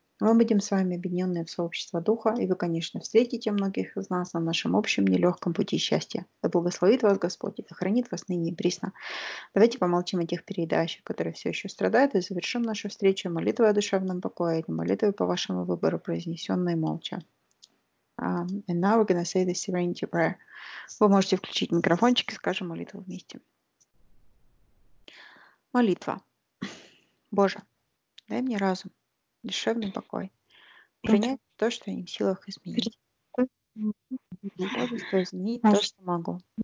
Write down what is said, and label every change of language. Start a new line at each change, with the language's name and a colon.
Russian: Мы будем с вами объединенные в сообщество Духа, и вы, конечно, встретите многих из нас на нашем общем нелегком пути счастья. Да благословит вас Господь и сохранит вас ныне и присно. Давайте помолчим о тех переедающих, которые все еще страдают, и завершим нашу встречу молитвой о душевном покое, и молитвой по вашему выбору, произнесенной молча.
English: And now we're going to say the serenity prayer.
Russian: Вы можете включить микрофончик и скажем молитву вместе. Молитва. Боже, дай мне разум. Душевный покой. Принять то, что я не в силах изменить. Мудрость изменить то, что могу.